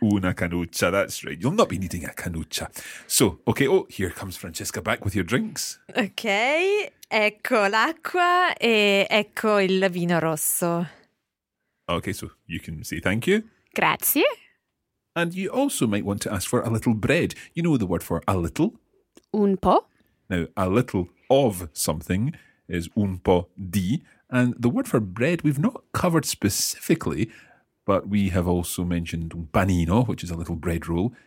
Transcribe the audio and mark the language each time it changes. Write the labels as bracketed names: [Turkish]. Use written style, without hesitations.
[English] Una canuccia, that's right. You'll not be needing a canuccia. So, okay, oh, here comes Francesca back with your drinks. [Italian] Okay, ecco l'acqua e ecco il vino rosso. [English] Okay, so you can say thank you. [Italian] Grazie. [English] And you also might want to ask for a little bread. You know the word for a little? [Italian] Un po'. [English] Now, a little of something is [Italian] un po' di. [English] And the word for bread we've not covered specifically, but we have also mentioned un panino, which is a little bread roll.